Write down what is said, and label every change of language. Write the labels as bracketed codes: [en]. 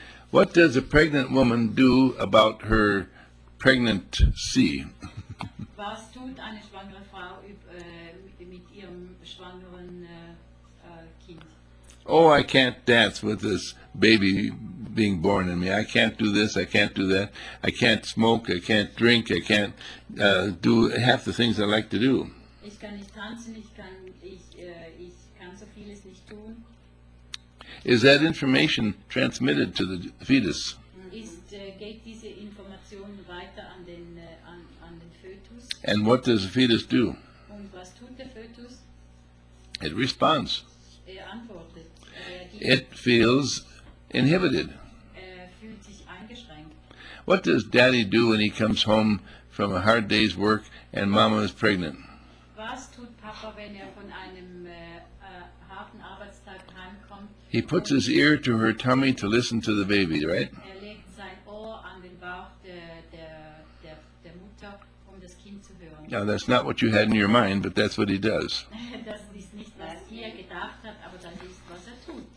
[en] What does a pregnant woman do about her pregnancy? [de] Was tut eine schwangere Frau mit ihrem schwangeren Kind? [en] Oh, I can't dance with this baby being born in me. I can't do this, I can't do that. I can't smoke, I can't drink, I can't do half the things I like to do. [de] Ich kann nicht tanzen, ich kann so vieles nicht tun. [en] Is that information transmitted to the fetus? [de] Geht diese Information weiter an den, an den Fötus? [en] And what does the fetus do? [de] Und was tut der Fötus? [en] It responds. [de] Antwortet. [en] It feels inhibited. [de] Fühlt sich eingeschränkt. [en] What does daddy do when he comes home from a hard day's work and mama is pregnant? [de] Was tut Papa, wenn er von einem harten Arbeitstag heimkommt? [en] He puts his ear to her tummy to listen to the baby, right? [de] Er legt sein Ohr an den Bauch der Mutter, das Kind zu hören. [en] Now, that's not what you had in your mind, but that's what he does. [de] Das ist nicht, was gedacht hat, aber das ist, was tut.